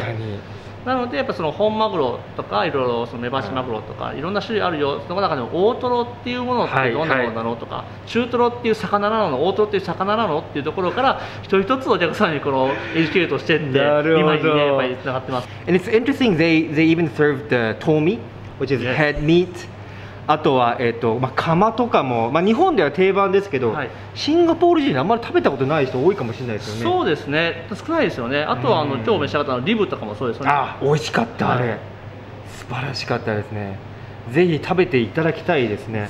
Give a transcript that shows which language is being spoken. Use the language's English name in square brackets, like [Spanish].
[Japanese] 確かになのでやっぱその本マグロとかいろいろそのメバチマグロとかいろんな種類あるよ、その中でも大トロっていうものってどんなものなのとか、中トロっていう魚なの、大トロっていう魚なのっていうところから一人一つお客さんにこのエデュケートしてって今にねやっぱりつながってます。 [English] And it's interesting they even serve the tomi which is head meat、yes. [Japanese] あとは、まあ、釜とかも、まあ、日本では定番ですけど、はい、シンガポール人あんまり食べたことない人多いかもしれないですよね。そうですね、少ないですよね。あとは今日召し上がったのリブとかもそうですよね。あ、美味しかった、あれ、はい、素晴らしかったですね。ぜひ食べていただきたいですね。